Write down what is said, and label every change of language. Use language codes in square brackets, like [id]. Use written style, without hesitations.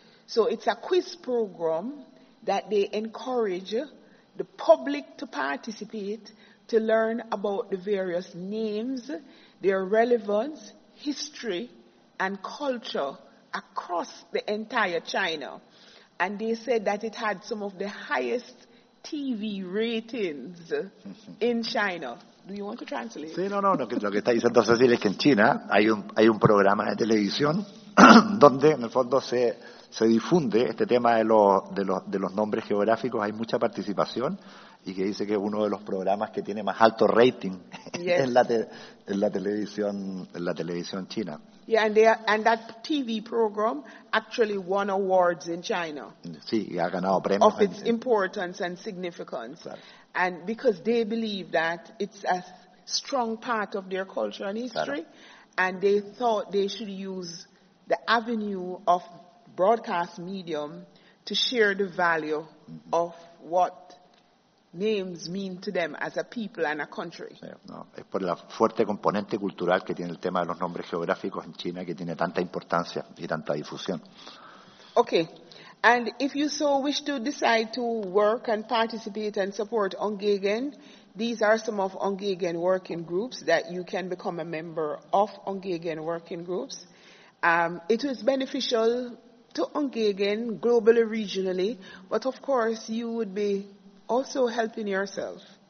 [en] So it's a quiz program that they encourage the public to participate to learn about the various names, their relevance, history, and culture across the entire China. And they said that it had some of the highest TV ratings in China. Do you want to translate? [es] Sí, no. Lo que está diciendo Cecil es que en China hay un programa de televisión donde, en el fondo, se difunde este tema de los nombres geográficos. Hay mucha participación, y que dice que es uno de los programas que tiene más alto rating. [en] Yes. [es] en la televisión china. [en] Yeah, and that TV program actually won awards in China. [es] Sí, y ha ganado premios. [en] Of its importance and significance. [es] Claro. [en] And because they believe that it's a strong part of their culture and history. [es] Claro. [en] And they thought they should use the avenue of broadcast medium to share the value of what names mean to them as a people and a country. [es] No, es por la fuerte componente cultural que tiene el tema de los nombres geográficos en China, que tiene tanta importancia y tanta difusión. [en] Okay, and if you so wish to decide to work and participate and support Ongegan, these are some of Ongegan working groups that you can become a member of. Ongegan working groups. It is beneficial to Ongegan globally, regionally, but of course you would be also helping yourself.